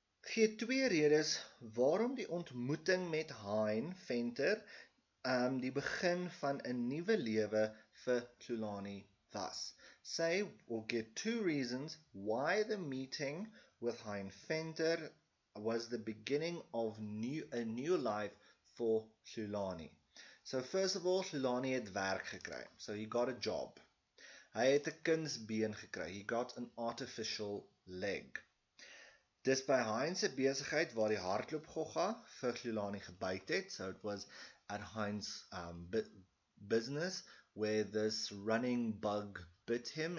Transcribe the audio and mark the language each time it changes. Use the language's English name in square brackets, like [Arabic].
[Afrikaans] Gee twee redes waarom die ontmoeting met Hein Venter die begin van 'n nuwe lewe vir Tulani was. [English] Say, we'll get two reasons why the meeting with Hein Venter was the beginning of a new life for Tulani. So first of all, [Afrikaans] Tulani het werk gekry. [English] So he got a job. [Afrikaans] Hy het 'n kunsbeen gekry. [English] He got an artificial leg. [Afrikaans] Dis by Hein se besigheid waar die hardloopgogga vir Tulani gebyt het. [English] So it was at Hein's business where this running bug bit him.